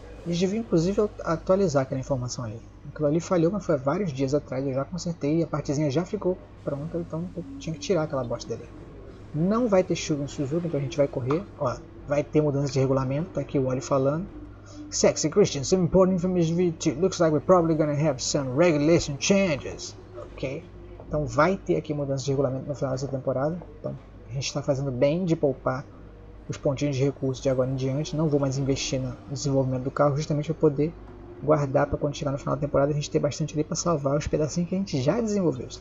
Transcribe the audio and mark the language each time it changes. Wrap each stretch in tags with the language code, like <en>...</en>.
<pt>Eles deviam inclusive atualizar aquela informação ali. Aquilo ali falhou, mas foi há vários dias atrás, eu já consertei e a partezinha já ficou pronta, então eu tinha que tirar aquela bosta dali. Não vai ter Shugan Suzuki, então a gente vai correr. Ó, vai ter mudança de regulamento, tá aqui o Wally falando.</pt> <en>Sexy Christian, some important information VT. Looks like we're probably gonna have some regulation changes. Ok.</en> <pt>Então vai ter aqui mudança de regulamento no final dessa temporada. Então, a gente está fazendo bem de poupar os pontinhos de recurso de agora em diante. Não vou mais investir no desenvolvimento do carro, justamente para poder guardar para quando chegar no final da temporada a gente ter bastante ali para salvar os pedacinhos que a gente já desenvolveu.</pt>